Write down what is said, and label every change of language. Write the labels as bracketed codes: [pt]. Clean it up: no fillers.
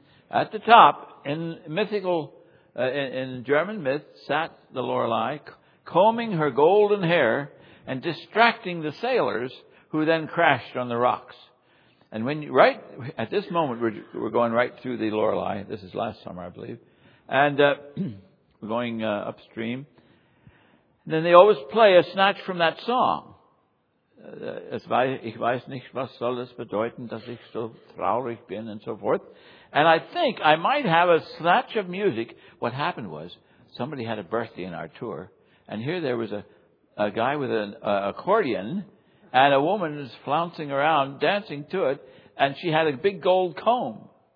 [en] At the top, in mythical, in German myth, sat the Lorelei, combing her golden hair and distracting the sailors who then crashed on the rocks. And when you, right at this moment, we're going right through the Lorelei. This is last summer, I believe. And we're going upstream. And then they always play a snatch from that song. [de] Ich weiß nicht, was soll das bedeuten, dass ich so traurig bin, [en] and so forth. And I think I might have a snatch of music. What happened was somebody had a birthday in our tour. And here there was a guy with an accordion, and a woman is flouncing around, dancing to it, and she had a big gold comb.